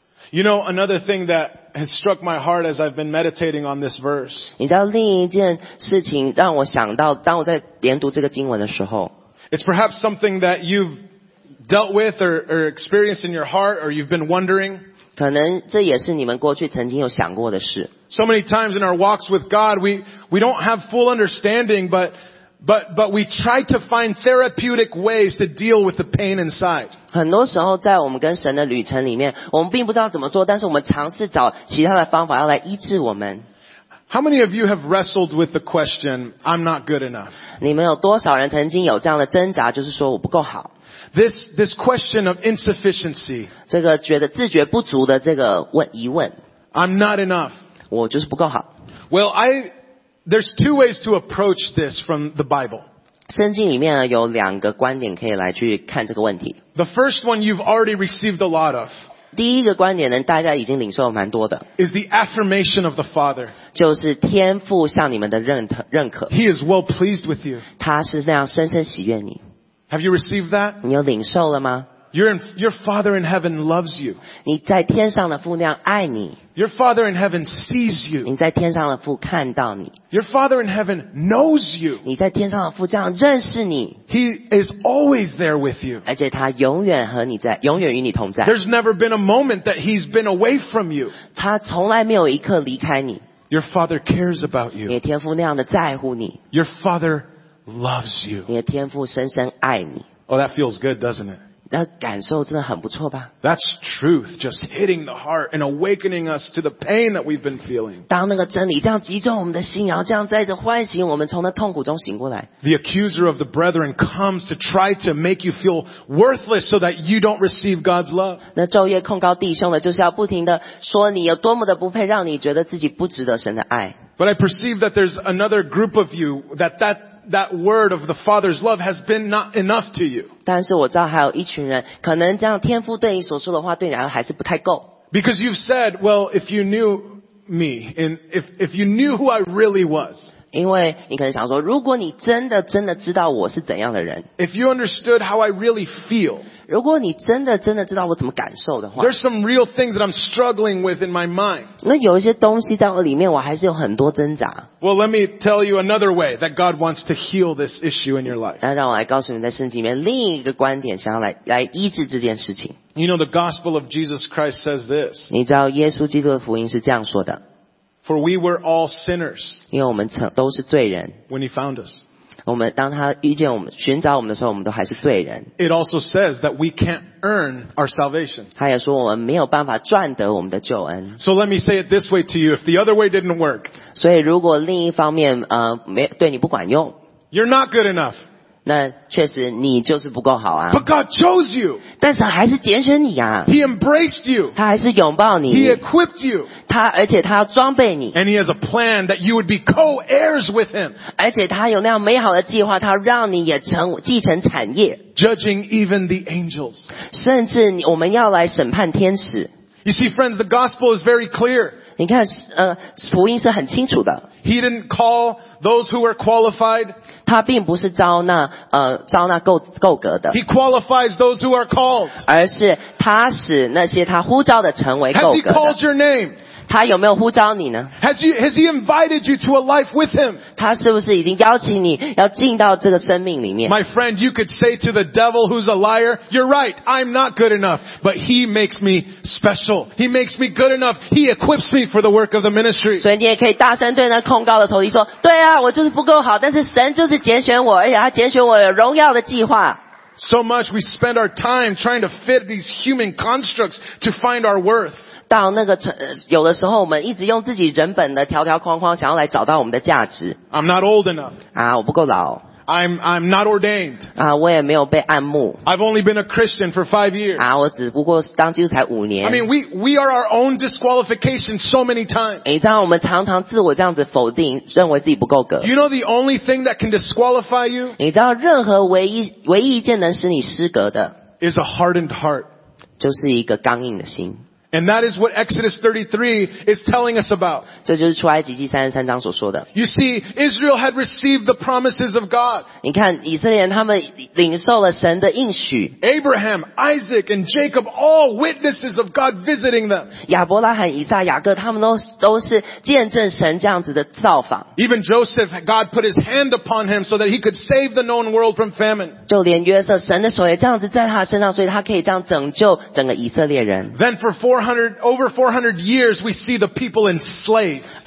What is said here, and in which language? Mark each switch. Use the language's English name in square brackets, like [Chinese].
[English] You know, another thing that has struck my heart as I've been meditating on this verse. [Chinese] 你知道另一件事情让我想到，当我在研读这个经文的时候。 [English] It's perhaps something that you've dealt with or experienced in your heart, or you've been wondering. [Chinese] 可能这也是你们过去曾经有想过的事。 [English] So many times in our walks with God, we don't have full understanding, but But we try to find therapeutic ways to deal with the pain inside. [Chinese] 很多时候在我们跟神的旅程里面，我们并不知道怎么做，但是我们尝试找其他的方法要来医治我们。 [English] How many of you have wrestled with the question, "I'm not good enough"? [Chinese] 你们有多少人曾经有这样的挣扎，就是说我不够好？ [English] This question of insufficiency. [Chinese] 这个觉得自觉不足的这个疑问。 [English] I'm not enough. [Chinese] 我就是不够好。 [English] Well, There's two ways to approach this from the Bible. [Chinese] 圣经里面有两个观点可以来去看这个问题。 [English] The first one you've already received a lot of. [Chinese] 第一个观点呢，大家已经领受蛮多的。 [English] Is the affirmation of the Father. [Chinese] 就是天父向你们的认可。 [English] He is well pleased with you. [Chinese] 他是那样深深喜悦你。 [English] Have you received that? [Chinese] 你有领受了吗？ [English] Your Father in heaven loves you. [Chinese] 你在天上的父那样爱你。 [English] Your Father in heaven sees you. [Chinese] 你在天上的父看到你。 [English] Your Father in heaven knows you. [Chinese] 你在天上的父这样认识你。 [English] He is always there with you. [Chinese] 而且他永远和你在，永远与你同在。 [English] There's never been a moment that he's been away from you. [Chinese] 他从来没有一刻离开你。 [English] Your Father cares about you. [Chinese] 你的天父那样的在乎你。 [English] Your Father loves you. [Chinese] 你的天父深深爱你。 [English] Oh, that feels good, doesn't it? [Chinese] 那感受真的很不错吧 [English] That's truth just hitting the heart and awakening us to the pain that we've been feeling. [Chinese] 当那个真理这样击中我们的心然后这样再次唤醒我们从那痛苦中醒过来 [English] The accuser of the brethren comes to try to make you feel worthless so that you don't receive God's love. [Chinese] 那昼夜控告弟兄的就是要不停的说你有多么的不配让你觉得自己不值得神的爱 [English] But I perceive that there's another group of you that word of the Father's love has been not enough to you. [Chinese] 但是我知道还有一群人，可能这样天父对你所说的话，对你来说还是不太够。 [English] Because you've said, well, if you knew me, and if you knew who I really was. [Chinese] 因为你可能想说，如果你真的真的知道我是怎样的人。 [English] If you understood how I really feel. [Chinese] 如果你真的真的知道我怎么感受的话。 [English] There's some real things that I'm struggling with in my mind. [Chinese] 那有一些东西在我里面，我还是有很多挣扎。 [English] Well, let me tell you another way that God wants to heal this issue in your life. [Chinese] 那让我来告诉你，在圣经里面另一个观点，想要来医治这件事情。 [English] You know, the gospel of Jesus Christ says this. [Chinese] 你知道耶稣基督的福音是这样说的。 [English] For we were all sinners. [Chinese] 因为我们都是罪人。 [English] When he found us. [Chinese] 我们当他遇见我们，寻找我们的时候，我们都还是罪人。 [English] It also says that we can't earn our salvation. [Chinese] 他也说我们没有办法赚得我们的救恩。 [English] So let me say it this way to you: if the other way didn't work. [Chinese] 所以如果另一方面没对你不管用。 [English] You're not good enough. [Chinese] 那确实你就是不够好啊。 [English] But God chose you. [Chinese] 但是还是拣选你啊。 [English] He embraced you. [Chinese] 他还是拥抱你。 [English] He equipped you. [Chinese] 他而且他要装备你。 [English] And he has a plan that you would be co-heirs with him. [Chinese] 而且他有那样美好的计划，他让你也成继承产业。 [English] Judging even the angels. [Chinese] 甚至我们要来审判天使。 [English] You see, friends, the gospel is very clear. [Chinese] 你看，福音是很清楚的。 [English] He didn't call those who were qualified. [Chinese] 他并不是招那招那够格的。 [English] He qualifies those who are called. [Chinese] 而是他使那些他呼召的成为够格的。 [English] Has he called your name? [Chinese] 他有没有呼召你呢？ [English] Has he invited you to a life with him? [Chinese] 他是不是已经邀请你要进到这个生命里面？ [English] My friend, you could say to the devil who's a liar, "You're right. I'm not good enough, but he makes me special. He makes me good enough. He equips me for the work of the ministry." [Chinese] 所以你也可以大声对那控告的仇敌说：“对啊，我就是不够好，但是神就是拣选我，而且他拣选我有荣耀的计划。” [English] So much we spend our time trying to fit these human constructs to find our worth. [Chinese] 到那个有的时候我们一直用自己人本的条条框框想要来找到我们的价值。 [English] I'm not old enough. [Chinese] 啊我不够老。 [English] I'm not ordained. [Chinese] 啊我也没有被按牧。 [English] I've only been a Christian for 5 years. [Chinese] 啊我只不过当基督才五年。 [English] I mean, we are our own disqualification so many times. [Chinese] 你知道我们常常自我这样子否定认为自己不够格。 [English] You know the only thing that can disqualify you? [Chinese] 你知道任何唯一一件能使你失格的。 [English] Is a hardened heart. [Chinese] 就是一个刚硬的心。 [English] And that is what Exodus 33 is telling us about. [Chinese] 这就是出埃及记33章所说的。 [English] You see, Israel had received the promises of God. [Chinese] 你看以色列人他们领受了神的应许。 [English] Abraham, Isaac, and Jacob, all witnesses of God visiting them. [Chinese] 亚伯拉罕、以撒、雅各他们都是见证神这样子的造访。 [English] Even Joseph, God put his hand upon him so that he could save the known world from famine. [Chinese] 就连约瑟，神的手也这样子在他身上，所以他可以这样拯救整个以色列人。 [English] Then for over 400 years, we see the people enslaved.